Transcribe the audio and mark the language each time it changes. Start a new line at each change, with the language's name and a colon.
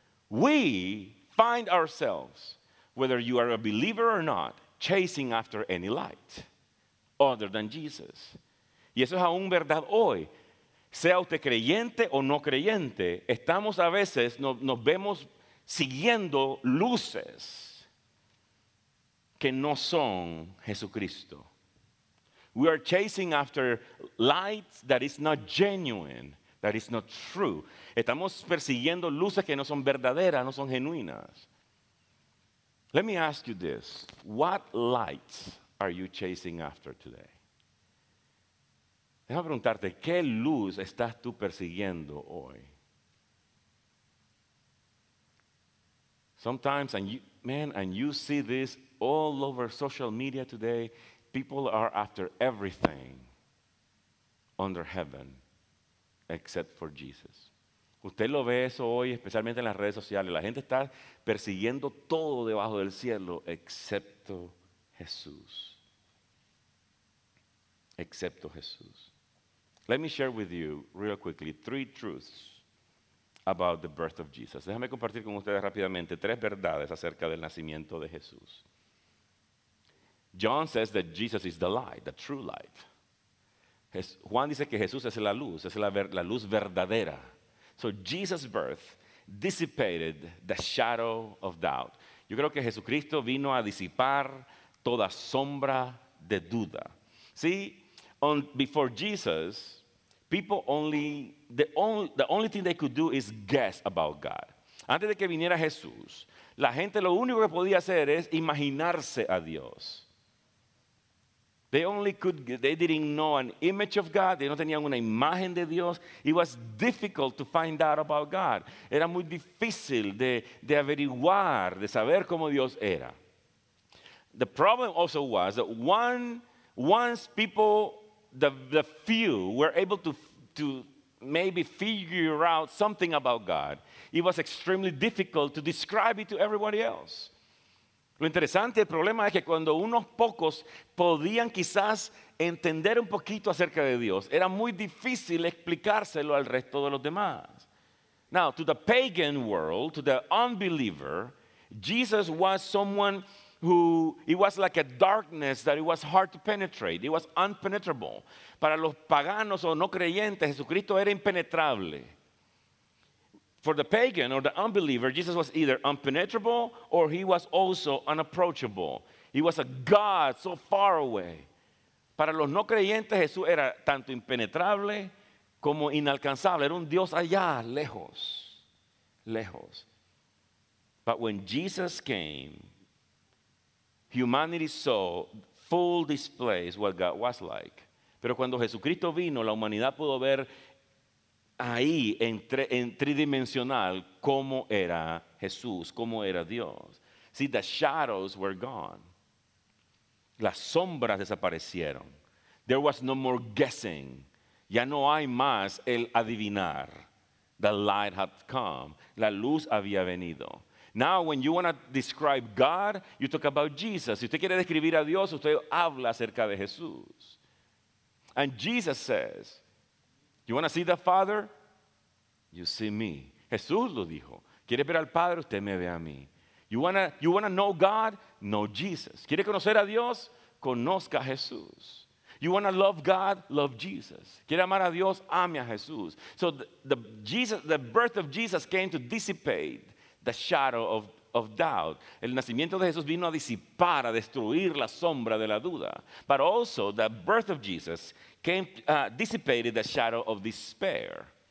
English: We find ourselves, whether you are a believer or not, chasing after any light other than Jesus.
Spanish: Y eso es aún verdad hoy. Sea usted creyente o no creyente, estamos a veces, nos vemos siguiendo luces que no son Jesucristo.
English: We are chasing after light that is not genuine. That is not true.
Spanish: Estamos persiguiendo luces que no son verdaderas, no son genuinas.
English: Let me ask you this. What lights are you chasing after today?
Spanish: Déjame preguntarte, ¿qué luz estás tú persiguiendo hoy?
English: Sometimes, and you see this all over social media today, people are after everything under heaven. Except for Jesus.
Spanish: Usted lo ve eso hoy, especialmente en las redes sociales. La gente está persiguiendo todo debajo del cielo, excepto Jesús. Excepto Jesús.
English: Let me share with you, real quickly, three truths about the birth of Jesus.
Spanish: Déjame compartir con ustedes rápidamente tres verdades acerca del nacimiento de Jesús.
English: John says that Jesus is the light, the true light.
Spanish: Juan dice que Jesús es la luz, es la luz verdadera.
English: So Jesus' birth dissipated the shadow of doubt.
Spanish: Yo creo que Jesucristo vino a disipar toda sombra de duda.
English: See, before Jesus, people only, the only thing they could do is guess about God.
Spanish: Antes de que viniera Jesús, la gente lo único que podía hacer es imaginarse a Dios.
English: They didn't know an image of God. They
Spanish: no tenían una imagen de Dios.
English: It was difficult to find out about God.
Spanish: Era muy difícil de averiguar, de saber cómo Dios era.
English: The problem also was that once the few were able to maybe figure out something about God, it was extremely difficult to describe it to everybody else.
Spanish: Lo interesante, el problema es que cuando unos pocos podían quizás entender un poquito acerca de Dios, era muy difícil explicárselo al resto de los demás.
English: Now, to the pagan world, to the unbeliever, Jesus was someone who, it was like a darkness that it was hard to penetrate. It was unpenetrable.
Spanish: Para los paganos o no creyentes, Jesucristo era impenetrable.
English: For the pagan or the unbeliever, Jesus was either impenetrable or he was also unapproachable. He was a God so far away.
Spanish: Para los no creyentes, Jesús era tanto impenetrable como inalcanzable. Era un Dios allá, lejos, lejos.
English: But when Jesus came, humanity saw full displays what God was like.
Spanish: Pero cuando Jesucristo vino, la humanidad pudo ver ahí en tridimensional cómo era Jesús, cómo era Dios.
English: See, the shadows were gone.
Spanish: Las sombras desaparecieron.
English: There was no more guessing.
Spanish: Ya no hay más el adivinar.
English: The light had come.
Spanish: La luz había venido.
English: Now, when you want to describe God, you talk about Jesus.
Spanish: Si usted quiere describir a Dios, usted habla acerca de Jesús.
English: And Jesus says, you want to see the Father? You see me.
Spanish: Jesús lo dijo. ¿Quiere ver al Padre? Usted me ve a mí.
English: You want to know God? Know Jesus.
Spanish: ¿Quiere conocer a Dios? Conozca a Jesús.
English: You want to love God? Love Jesus.
Spanish: ¿Quiere amar a Dios? Ame a Jesús.
English: So the birth of Jesus came to dissipate the shadow of, of doubt.
Spanish: El nacimiento de Jesús vino a disipar, a destruir la sombra de la duda.
English: But also the birth of Jesus came dissipated the shadow of despair.